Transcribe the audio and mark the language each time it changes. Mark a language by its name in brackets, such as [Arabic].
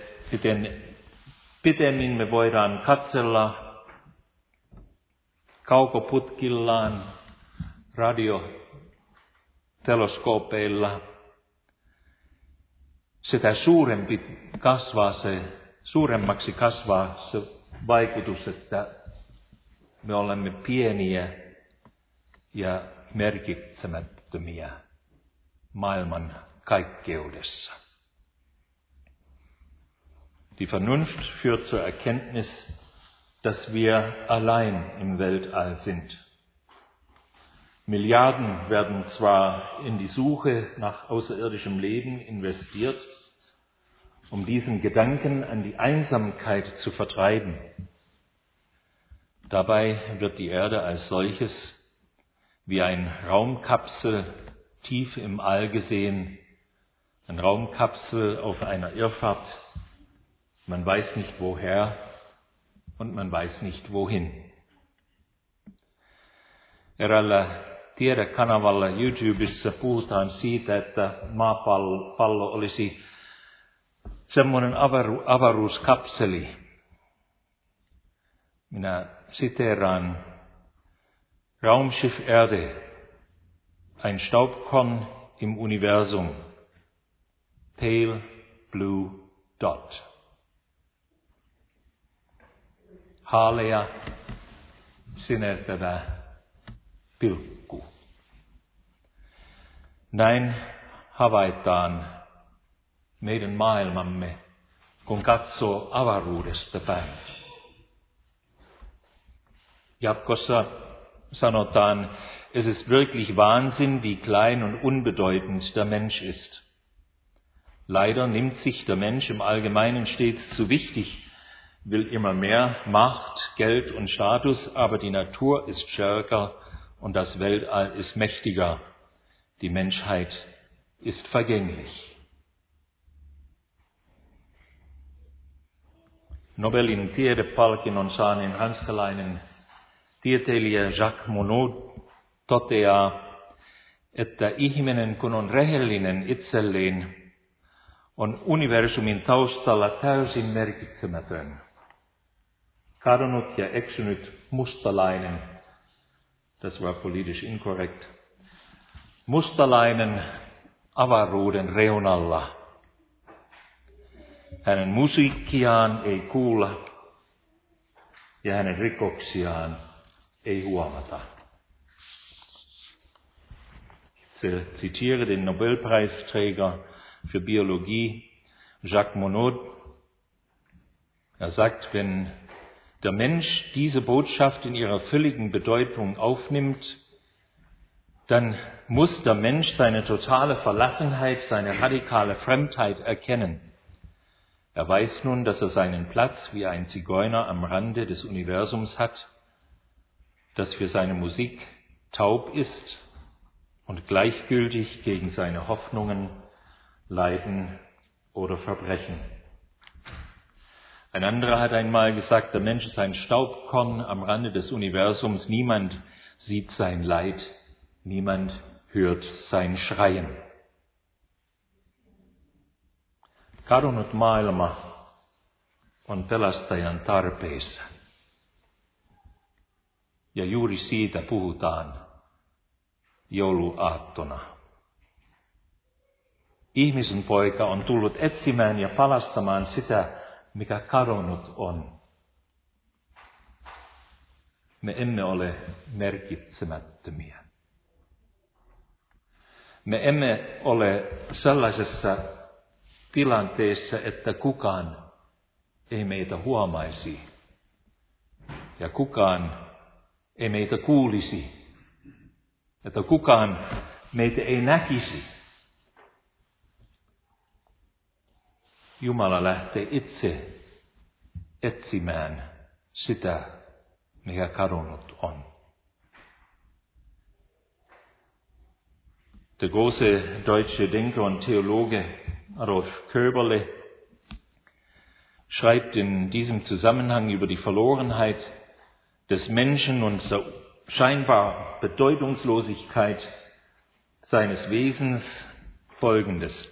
[Finnish] Miten pitemmin me voidaan katsella kaukoputkillaan, radioteleskoopeilla, sitä suurempi kasvaa se, suuremmaksi kasvaa se vaikutus, että me olemme pieniä ja merkitsemättömiä maailman kaikkeudessa. [German] Die Vernunft führt zur Erkenntnis, dass wir allein im Weltall sind. Milliarden werden zwar in die Suche nach außerirdischem Leben investiert, um diesen Gedanken an die Einsamkeit zu vertreiben. Dabei wird die Erde als solches, wie ein Raumkapsel tief im All gesehen, ein Raumkapsel auf einer Irrfahrt, man weiß nicht woher und man weiß nicht wohin. [Finnish] Eräällä tiedekanavalla YouTubessa puhutaan siitä, että maapallo olisi semmoinen avaruuskapseli. Minä siteeraan: [German] Raumschiff Erde, ein Staubkorn im Universum, [English] pale blue dot. [Finnish] Haalea sinertävä pilkku. Näin havaitaan meidän maailmamme, kun katsoo avaruudesta päin. Jatkossa sanotaan: [German] es ist wirklich Wahnsinn, wie klein und unbedeutend der Mensch ist. Leider nimmt sich der Mensch im Allgemeinen stets zu wichtig, will immer mehr Macht, Geld und Status, aber die Natur ist stärker und das Weltall ist mächtiger. Die Menschheit ist vergänglich. [Finnish] Nobelin tiedepalkinnon saaneen ranskalainen tieteilijä Jacques Monod toteaa, että ihminen, kun on rehellinen itselleen, on universumin taustalla täysin merkitsemätön. Kadonnut ja eksynyt mustalainen, [German] das war politisch inkorrekt, [Finnish] mustalainen avaruuden reunalla. Hänen musiikkiaan ei kuulla ja hänen rikoksiaan ei huomata. [German] Zitiere den Nobelpreisträger für Biologie, Jacques Monod. Er sagt: wenn der Mensch diese Botschaft in ihrer völligen Bedeutung aufnimmt, dann muss der Mensch seine totale Verlassenheit, seine radikale Fremdheit erkennen. Er weiß nun, dass er seinen Platz wie ein Zigeuner am Rande des Universums hat, dass für seine Musik taub ist und gleichgültig gegen seine Hoffnungen, Leiden oder Verbrechen. Ein anderer hat einmal gesagt: der Mensch ist ein Staubkorn am Rande des Universums, niemand sieht sein Leid, niemand hört sein Schreien. [Finnish] Kadonnut maailma on pelastajan tarpeessa. Ja juuri siitä puhutaan jouluaattona. Ihmisen poika on tullut etsimään ja palastamaan sitä, mikä kadonnut on. Me emme ole merkitsemättömiä. Me emme ole sellaisessa tilanteessa, että kukaan ei meitä huomaisi ja kukaan ei meitä kuulisi että kukaan meitä ei näkisi. Jumala lähtee itse etsimään sitä, mikä kadonnut on. [German] Der große deutsche Denker und Theologe Adolf Köberle schreibt in diesem Zusammenhang über die Verlorenheit des Menschen und der scheinbar Bedeutungslosigkeit seines Wesens Folgendes.